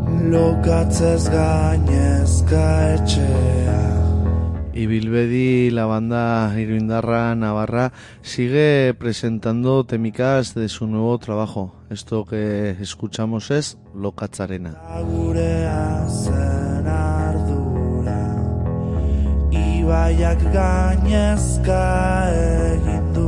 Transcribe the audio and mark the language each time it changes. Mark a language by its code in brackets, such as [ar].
[eu] Lokatzez gainezka etxea. [es] Ibilbedi, la banda iruindarra, navarra, sigue presentando temikaz de su nuevo trabajo. Esto que escuchamos es Lokatzarena. [eu] Agurea zen ardura, ibaiak gainezka egin.